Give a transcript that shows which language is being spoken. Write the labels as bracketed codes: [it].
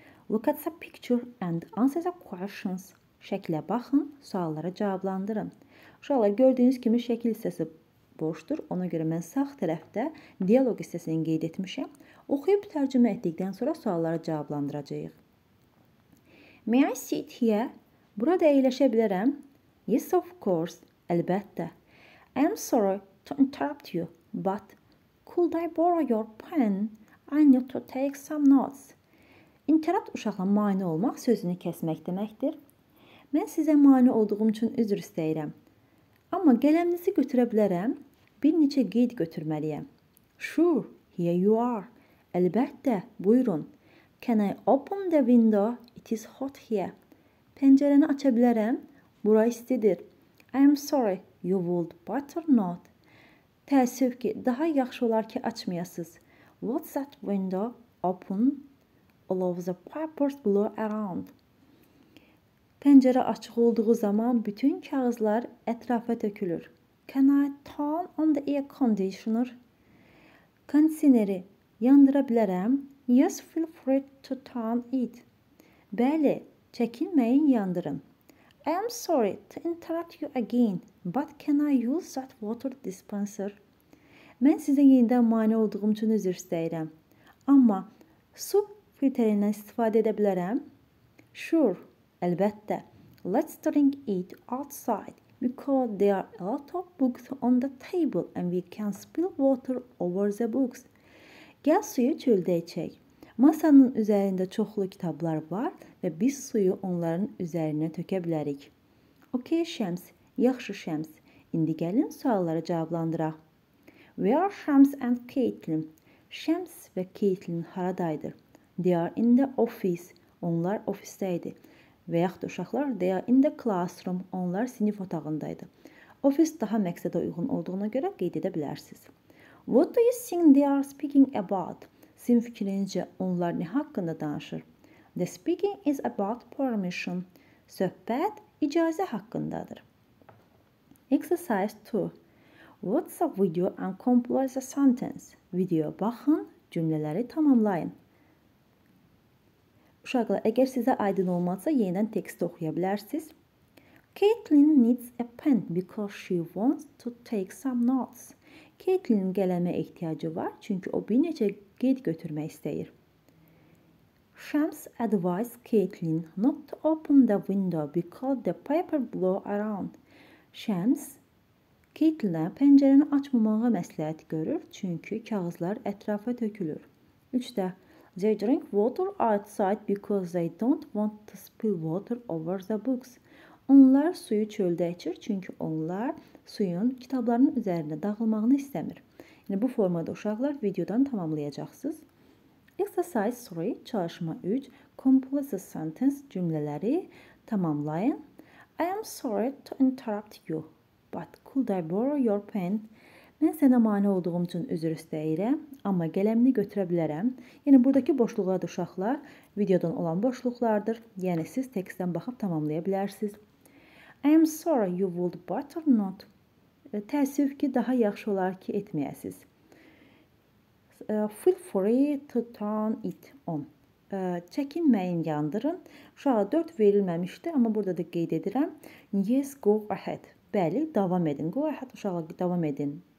[en] Look at the picture and answer the questions. [az] Şəklə baxın, sualları cavablandırın. Uşaqlar, gördüyünüz kimi şəkil hissəsi boşdur. Ona görə mən sağ tərəfdə dialog hissəsini qeyd etmişəm. Oxuyub tərcümə etdikdən sonra sualları cavablandıracağıq. [en] May I sit here? [az] Burada əyləşə bilərəm? [en] Yes, of course. [az] Əlbəttə. [en] I am sorry to interrupt you, but could I borrow your pen? I need to take some notes. [az] İnterrupt uşaqla mane olmaq sözünü kəsmək deməkdir. Mən sizə mane olduğum üçün üzr istəyirəm. Amma qələminizi götürə bilərəm, bir neçə qeyd götürməliyəm. [en] Sure, here you are. [az] Əlbəttə, buyurun. [en] Can I open the window? It is hot here. [az] Pəncərəni aça bilərəm, bura istidir. [en] I am sorry, you would better not. [az] Təəssüf ki, daha yaxşı olar ki, açmayasız. [en] What's that window open? All of the papers blow around. [az] Pəncərə açıq olduğu zaman bütün kağızlar ətrafa tökülür. [en] Can I turn on the air conditioner? [az] Kondisioneri yandıra bilərəm. [en] Yes, feel free to turn it. [az] Bəli, çəkinməyin, yandırın. [en] I am sorry to interrupt you again, but can I use that water dispenser? [az] Mən sizə yenidən mane olduğum üçün üzr istəyirəm. Amma su filtrindən istifadə edə bilərəm. [en] Sure. [az] Əlbəttə, [en] let's drink it outside because there are a lot of books on the table and we can spill water over the books. [az] Gəl suyu çöldə içək. Masanın üzərində çoxlu kitablar var və biz suyu onların üzərinə tökə bilərik. Okay, Shams. Yaxşı, Shams. İndi gəlin sualları cavablandıraq. [en] Where are Shams and Caitlin? [az] Shams və Caitlin haradaydı? [en] They are in the office. [az] Onlar ofisdəydi. Və yaxud uşaqlar, [en] they are in the classroom, [az] onlar sinif otağındaydı. Ofis daha məqsədə uyğun olduğuna görə qeyd edə bilərsiniz. [en] What do you think they are speaking about? [az] Sizin fikrinizcə onlar nə haqqında danışır? [en] The speaking is about permission. [az] Söhbət icazə haqqındadır. [en] Exercise 2. What's a video and complete the sentence? [az] Videoya baxın, cümlələri tamamlayın. Uşaqlar, əgər sizə aydın olmazsa, yenidən teksti oxuya bilərsiniz. [en] Caitlin needs a pen because she wants to take some notes. [az] Caitlin qələmə ehtiyacı var, çünki o bir neçə qeyd götürmək istəyir. [en] Shams advised Caitlin not to open the window because the paper blow around. [az] Shams, Caitlinə pəncərəni açmamağa məsləhət görür, çünki kağızlar ətrafa tökülür. Üçdə. [en] They drink water outside because they don't want to spill water over the books. [az] Onlar suyu çöldə içir, çünki onlar suyun kitablarının üzərində dağılmağını istəmir. Yəni, bu formada uşaqlar videodan tamamlayacaqsınız. [en] Exercise 3, [az] çalışma 3, [en] complete the sentence [az] cümlələri tamamlayın. [en] I am sorry to interrupt you, but could I borrow your pen? [az] Mən sənə mane olduğum üçün üzr istəyirəm, amma qələmini götürə bilərəm. Yəni, buradakı boşluqlar da uşaqlar videodan olan boşluqlardır. Yəni, siz tekstdən baxıb tamamlaya bilərsiniz. [en] I am sorry you would better not. [az] Təəssüf ki, daha yaxşı olar ki, etməyəsiz. [en] Feel free to turn it on. [az] Çəkinməyin, yandırın. Uşağa 4 verilməmişdi, amma burada da qeyd edirəm. [en] Yes, go ahead. [az] Bəli, davam edin. [en] Go ahead, [az] uşağa davam edin.